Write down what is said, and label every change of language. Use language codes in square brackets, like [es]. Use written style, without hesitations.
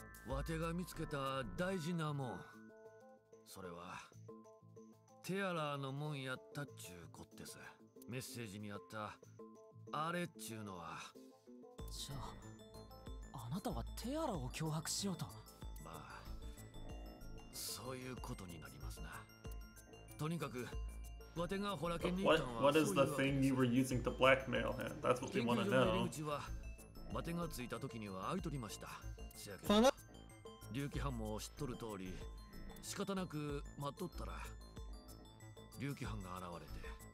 [ja] ワテが見つけた大事なもん。それはテアラーのもんやったっちゅうこってす。メッセージにあったあれっちゅうのは。じゃあ。あなたはテアラを脅迫しようと。まあそういうことになりますな。とにかくワテがホラケンに言ったのは、 [en] What is the thing you were using to blackmail him? That's what we want to know. [ja] 研究所の入り口はワテがついた時には開いとりました。せやけど龍騎班も知っとる通り、仕方なく待っとったら龍騎班が現れて、